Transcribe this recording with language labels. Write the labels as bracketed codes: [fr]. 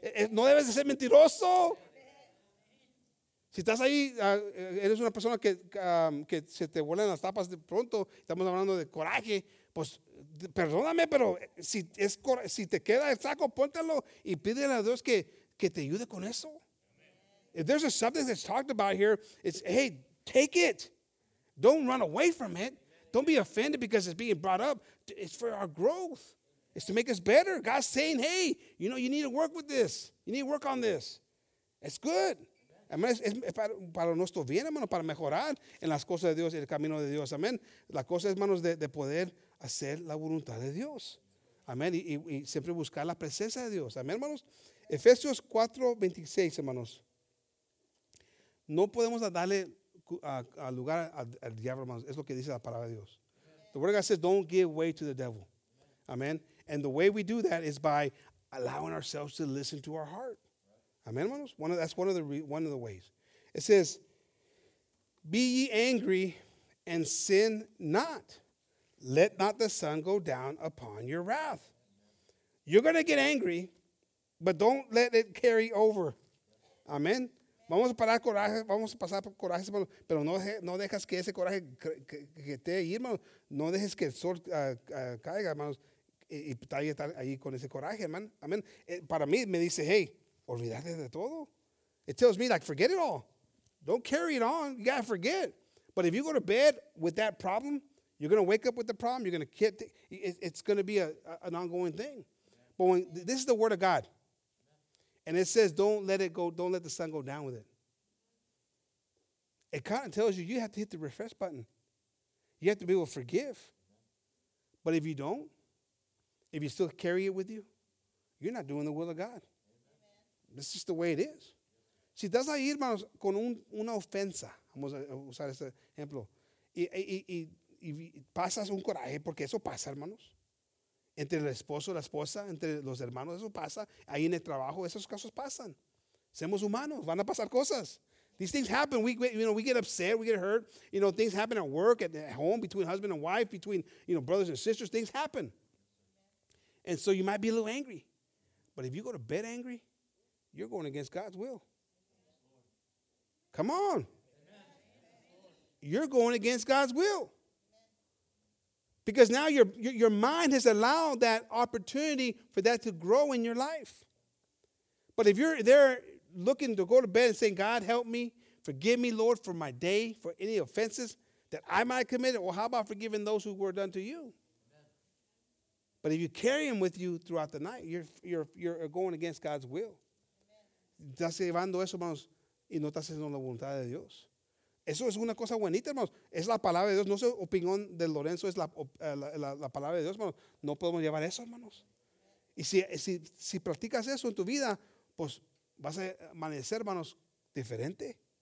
[es] No debes de ser mentiroso. Si estás ahí, eres una persona que se te vuelan las tapas de pronto, estamos hablando de coraje, pues perdóname, pero si te queda el saco, póntelo y pídele a Dios que te ayude con eso. [en] If there's a subject that's talked about here, it's, hey, take it. Don't run away from it. Don't be offended because it's being brought up. It's for our growth. It's to make us better. God's saying, hey, you know, you need to work with this. You need to work on this. It's good. [es] Es para nuestro bien, hermano, para mejorar en las cosas de Dios y el camino de Dios. Amén. La cosa es, hermanos, de poder hacer la voluntad de Dios. Amén. Y siempre buscar la presencia de Dios. Amén, hermanos. Efesios 4:26, hermanos. No podemos darle a lugar al diablo, hermanos. Es lo que dice la palabra de Dios. [en] Amen. The word of God says, don't give way to the devil. Amén. And the way we do that is by allowing ourselves to listen to our heart. Amen, hermanos? That's one of the ways. It says, be ye angry and sin not. Let not the sun go down upon your wrath. You're going to get angry, but don't let it carry over. Amen. [es] Vamos a parar coraje, vamos a pasar por coraje, pero no dejas que ese coraje que te irme, no dejes que el sol caiga, hermanos, y está ahí con ese coraje, hermano. Amén. Para mí me dice, hey, olvídate de todo. [en] It tells me, like, forget it all. Don't carry it on. You got to forget. But if you go to bed with that problem, you're going to wake up with the problem. You're going to get, it's going to be an ongoing thing. But when this is the word of God. And it says, don't let it go, don't let the sun go down with it. It kind of tells you, you have to hit the refresh button. You have to be able to forgive. But if you don't, if you still carry it with you, you're not doing the will of God. That's just the way it is. Si estás ahí, hermanos, con una ofensa, vamos a usar este ejemplo, y pasas un coraje, porque eso pasa, hermanos. Entre el esposo, la esposa, entre los hermanos, eso pasa. Ahí en el trabajo, esos casos pasan. Somos humanos, van a pasar cosas. These things happen. We get upset, we get hurt. You know, things happen at work, at home, between husband and wife, between, you know, brothers and sisters. Things happen. And so you might be a little angry. But if you go to bed angry, you're going against God's will. Come on. You're going against God's will. Because now your mind has allowed that opportunity for that to grow in your life. But if you're there looking to go to bed and saying, God, help me, forgive me, Lord, for my day, for any offenses that I might have committed, well, how about forgiving those who were done to you? Amen. But if you carry them with you throughout the night, you're going against God's will. [es] Estás llevando eso, hermanos, y no estás haciendo la voluntad de Dios. Eso es una cosa bonita, hermanos. Es la palabra de Dios. No es opinión de Lorenzo. Es la palabra de Dios, hermanos. No podemos llevar eso, hermanos. Y si practicas eso en tu vida, pues vas a amanecer, hermanos, diferente.